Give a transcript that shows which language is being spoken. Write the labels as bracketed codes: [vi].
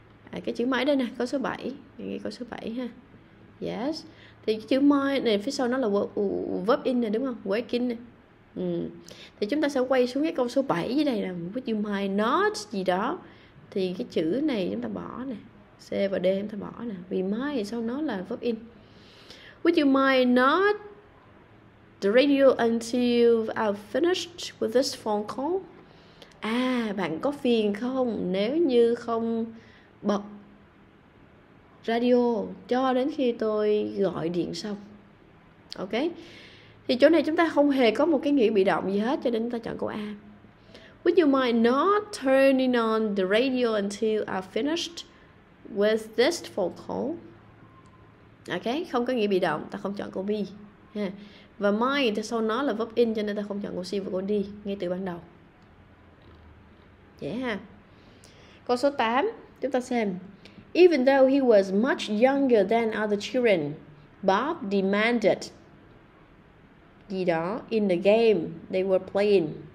[vi] À, cái chữ mind đây nè, câu số 7. Nghe câu số 7 ha. Yes. Thì cái chữ mind này phía sau nó là verb in nè, đúng không? Working nè. Ừ. Thì chúng ta sẽ quay xuống cái câu số 7 dưới đây là [en] would you mind not [vi] gì đó. Thì cái chữ này chúng ta bỏ nè. C và D chúng ta bỏ nè. Vì mind sau nó là verb in. [en] Would you mind not the radio until I've finished with this phone call? [vi] À, bạn có phiền không nếu như không bật radio cho đến khi tôi gọi điện xong? Ok. Thì chỗ này chúng ta không hề có một cái nghĩa bị động gì hết cho nên chúng ta chọn câu A. [en] Would you mind not turning on the radio until I finished with this phone call? [vi] Ok, không có nghĩa bị động, ta không chọn câu B. Yeah. Và mind thì sau nó là verb in cho nên ta không chọn câu C và câu D ngay từ ban đầu. Dễ ha. Câu số 8, chúng ta xem. [en] Even though he was much younger than other children, Bob demanded [vi] gì đó [en] in the game they were playing.